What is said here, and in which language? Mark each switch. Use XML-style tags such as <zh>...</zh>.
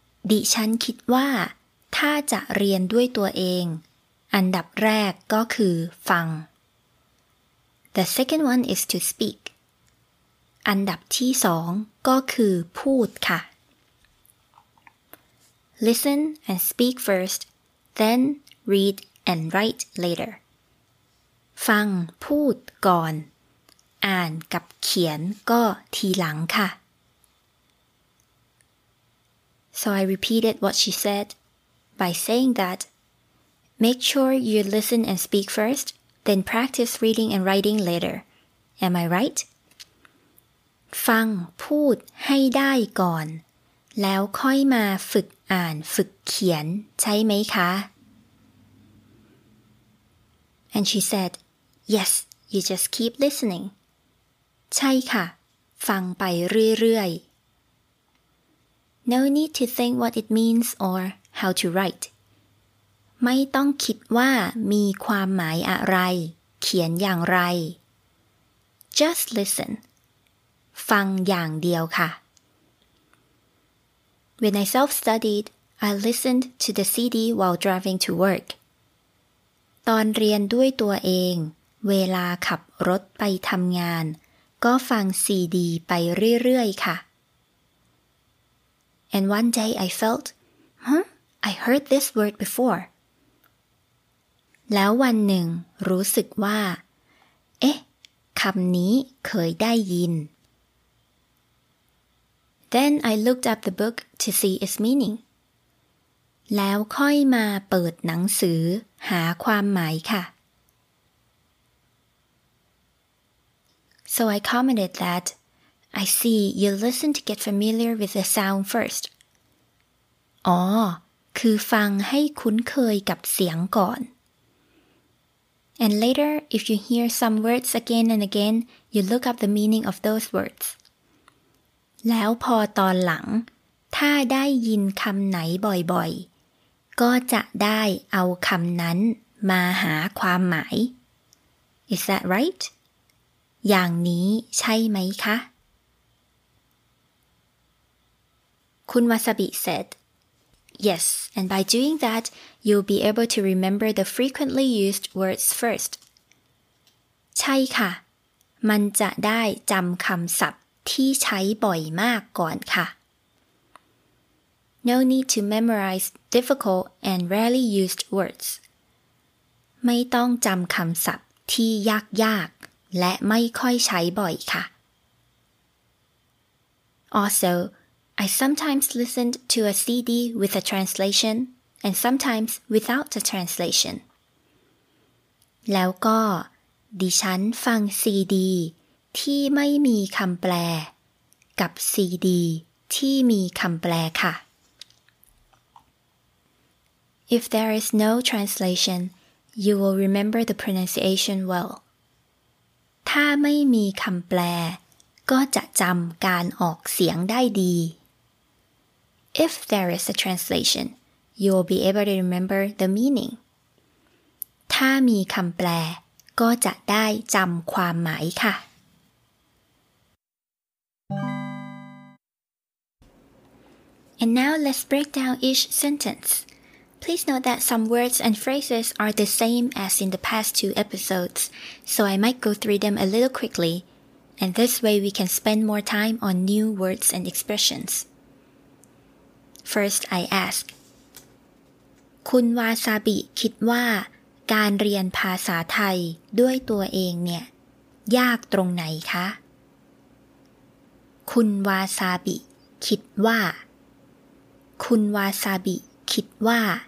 <th>ดิฉันคิดว่าถ้าจะเรียนด้วยตัวเองอันดับแรกก็คือฟัง</th> <en>The second one is to speak.</en> <th>อันดับที่สองก็คือพูดค่ะ</th> <en>Listen and speak first, then read and write later.</en> <th>ฟังพูดก่อนอ่านกับเขียนก็ทีหลังค่ะ</th> <en>So I repeated what she said by saying that Make sure you listen and speak first, then practice reading and writing later. Am I right?</en> <th>ฟังพูดให้ได้ก่อนแล้วค่อยมาฝึกอ่านฝึกเขียนใช่ไหมคะ</th> <en>And she said, Yes, you just keep listening.</en> <th>ใช่ค่ะฟังไปเรื่อยๆ</th> <en>No need to think what it means or how to write.</en> <th>ไม่ต้องคิดว่ามีความหมายอะไรเขียนอย่างไร</th> <en>Just listen.</en> <th>ฟังอย่างเดียวค่ะ</th> <en>When I self-studied, I listened to the CD while driving to work.</en> <th>ตอนเรียนด้วยตัวเองเวลาขับรถไปทำงานก็ฟังซีดีไปเรื่อยๆค่ะ</th> <en>And one day I felt, I heard this word before.</en> <th>แล้ววันหนึ่งรู้สึกว่าเอ๊ะคำนี้เคยได้ยิน</th> <en>Then I looked up the book to see its meaning.</en> <th>แล้วค่อยมาเปิดหนังสือหาความหมายค่ะ</th> <en>So I commented that, I see you listen to get familiar with the sound first.</en> <th>คือฟังให้คุ้นเคยกับเสียงก่อน</th> <en>And later, if you hear some words again and again, you look up the meaning of those words.</en> <th>แล้วพอตอนหลังถ้าได้ยินคำไหนบ่อยๆก็จะได้เอาคำนั้นมาหาความหมาย</th> <en>Is that right?</en> <th>อย่างนี้ใช่ไหมคะ</th> <en>คุณวาซาบิ said, Yes, and by doing that, you'll be able to remember the frequently used words first.</en> <th>ใช่ค่ะ มันจะได้จำคำศัพท์ที่ใช้บ่อยมากก่อนค่ะ</th> <en>No need to memorize difficult and rarely used words.</en> <th>ไม่ต้องจำคำศัพท์ที่ยากๆและไม่ค่อยใช้บ่อยค่ะ</th> <en>Also, I sometimes listened to a CD with a translation and sometimes without a translation.</en> <th>แล้วก็ดิฉันฟังซีดีที่ไม่มีคำแปลกับซีดีที่มีคำแปลค่ะ</th> <en>If there is no translation, you will remember the pronunciation well.</en> <th>ถ้าไม่มีคำแปลก็จะจำการออกเสียงได้ดี</th> <en>If there is a translation, you will be able to remember the meaning.</en> <th>ถ้ามีคำแปลก็จะได้จำความหมายค่ะ</th> <en>And now let's break down each sentence. Please note that some words and phrases are the same as in the past two episodes, so I might go through them a little quickly, and this way we can spend more time on new words and expressions. First, I ask,</en> <th>คุณวาซาบิคิดว่าการเรียนภาษาไทยด้วยตัวเองเนี่ยยากตรงไหนคะ คุณวาซาบิคิดว่าคุณวาซาบิคิดว่า</th>